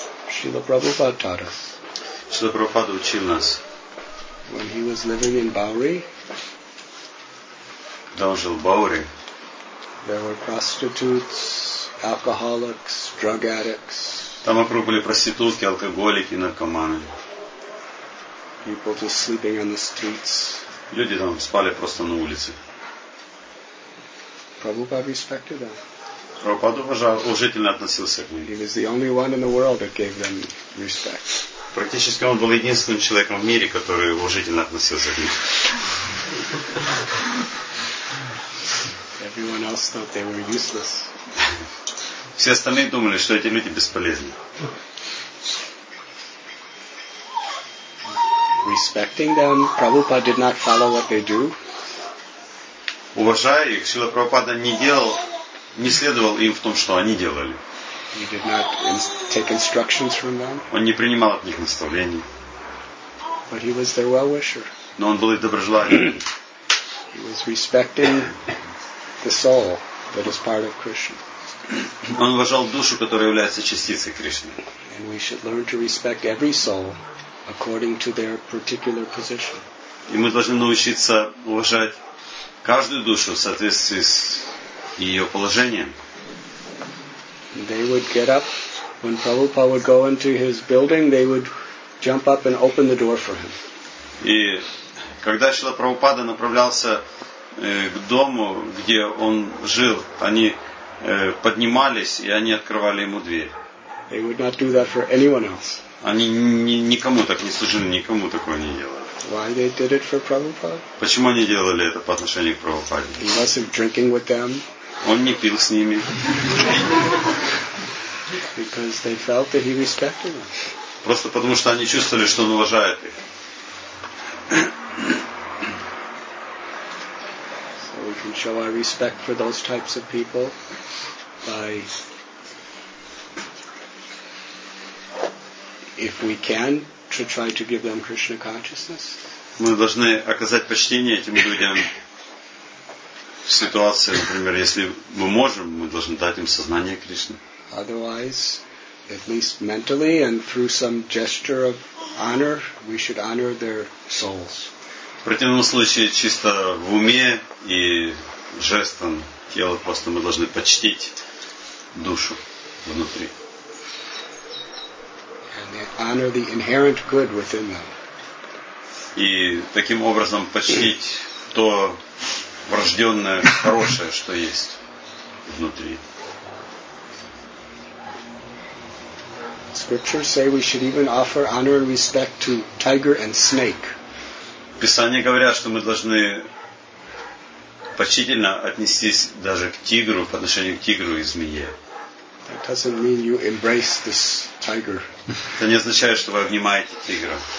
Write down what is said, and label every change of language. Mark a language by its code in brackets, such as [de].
[en] Srila Prabhupada taught us. [ru] Srila Prabhupada учил нас. [en] When he was living in Bowery, there were prostitutes, alcoholics, drug addicts. [ru] Там вокруг были проститутки, алкоголики, наркоманы. [en] People just sleeping on the streets. [ru] Люди там спали просто на улице. [en] Prabhupada respected them. [ru] Прабхупада уважительно относился к ним. [en] He was the only one in the world that gave them respect. [ru] Практически он был единственным человеком в мире, который уважительно относился к ним. [en] Everyone else thought they were useless. [ru] Все остальные думали, что эти люди бесполезны. [en] Respecting them, Prabhupada did not follow what they do. [ru] Уважая их, Шрила Прабхупада не делал не следовал им в том, что они делали. [en] He did not take instructions from them. [ru] Он не принимал от них наставлений. [en] But he was their well-wisher. [ru] Но он был их доброжелателем. [en] He was respecting the soul that is part of Krishna. [ru] Он уважал душу, которая является частицей Кришны. [en] And we should learn to respect every soul according to their particular position. [ru] И мы должны научиться уважать каждую душу в соответствии с ее положением. [en] They would get up when Prabhupada would go into his building. They would jump up and open the door for him. [ru] И когда Шрила Прабхупада направлялся к дому, где он жил, они поднимались и они открывали ему дверь. [en] They would not do that for anyone else. [ru] Они никому так не служили, никому такого не делали. [en] Why they did it for Prabhupada? [ru] Почему они делали это по отношению к Прабхупаде? [en] He wasn't drinking with them. [ru] Он не пил с ними. [en] Because they felt that he respected them. [ru] Просто потому что они чувствовали, что он уважает их. [en] So we can show our respect for those types of people by, if we can, to try to give them Krishna consciousness. [ru] Мы должны оказать почтение этим людям. В ситуации, например, если мы можем, мы должны дать им сознание Кришны. [en] Otherwise, at least mentally and through some gesture of honor, we should honor their souls. [ru] В противном случае, чисто в уме и жестом тела, просто мы должны почтить душу внутри. [en] And honor the inherent good within them. [ru] И таким образом почтить то врожденное хорошее, что есть внутри. [en] Scriptures say we should even offer honor and respect to tiger and snake. [ru] Писания говорят, что мы должны почтительно отнестись даже к тигру, по отношению к тигру и змее. [en] That doesn't mean you embrace this tiger. [ru] Это не означает, что вы обнимаете тигра.